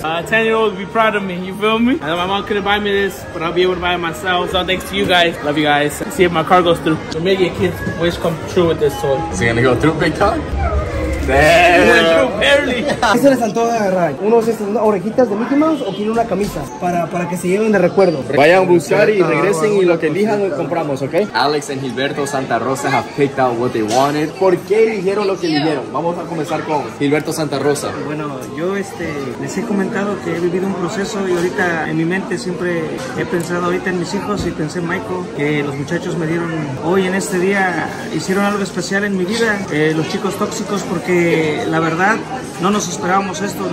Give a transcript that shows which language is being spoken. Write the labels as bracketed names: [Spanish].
[English] A 10-year-old would be proud of me, you feel me? I know my mom couldn't buy me this, but I'll be able to buy it myself. So thanks to you guys. Love you guys. See if my car goes through. So maybe a kid's wish come true with this toy. Is he gonna go through big time? [Spanish] ¿Qué se les antoja agarrar? ¿Unos estas orejitas de Mickey Mouse o quieren una camisa para que se lleven de recuerdo? Vayan a buscar y regresen y lo que elijan lo compramos, ¿ok? [English] Alex and Gilberto Santa Rosa have picked out what they wanted. [Spanish] ¿Por qué eligieron lo que eligieron? Vamos a comenzar con Gilberto Santa Rosa. Bueno, yo les he comentado que he vivido un proceso y ahorita en mi mente siempre he pensado ahorita en mis hijos y pensé en Michael, que los muchachos me dieron hoy en este día, hicieron algo especial en mi vida, los chicos tóxicos, porque la verdad no nos esperábamos esto.